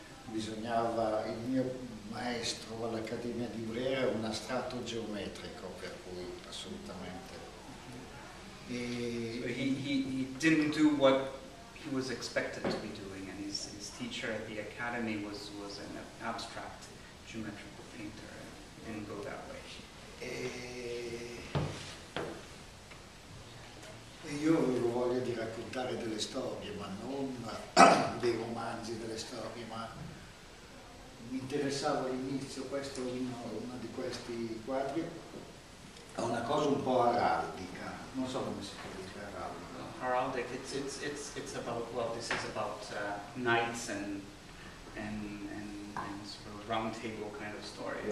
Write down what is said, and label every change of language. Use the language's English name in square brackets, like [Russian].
[Italian] Bisognava, il mio maestro all'Accademia di Brera è un astratto geometrico, per cui assolutamente. [English] E so he didn't do what he was expected to be doing, and his teacher at the academy was an abstract geometrical painter, and didn't go that way. [Italian] E io avevo voglia di raccontare delle storie, ma non dei romanzi, delle storie, ma mi interessava all'inizio questo, uno di questi quadri, è una cosa un po' araldica, non so come si può dire araldica. [English] Heraldic, it's about, well, this is about knights and sort of round table kind of stories.